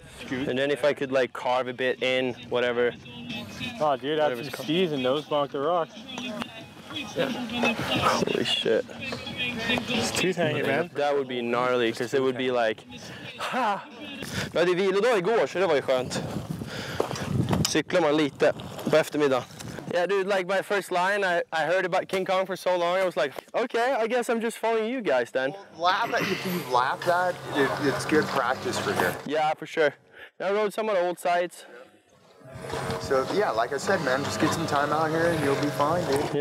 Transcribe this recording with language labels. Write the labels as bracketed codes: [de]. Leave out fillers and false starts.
[en] And then if I could like carve a bit in, whatever. Oh, dude, that's some skis and nose bonk the rocks. Yeah. Holy shit. It's tooth hanging, man. That would be gnarly, because it would be like, ha! [sv] Vi hade vilodag igår, så det var ju skönt. Cyklar man lite på eftermiddagen. [en] Yeah, dude, like my first line, I heard about King Kong for so long, I was like, okay, I guess I'm just following you guys then. Well, if you laugh at that, it's good practice for you. Yeah, for sure. I rode some of the old sites. So, yeah, like I said, man, just get some time out here and you'll be fine, dude.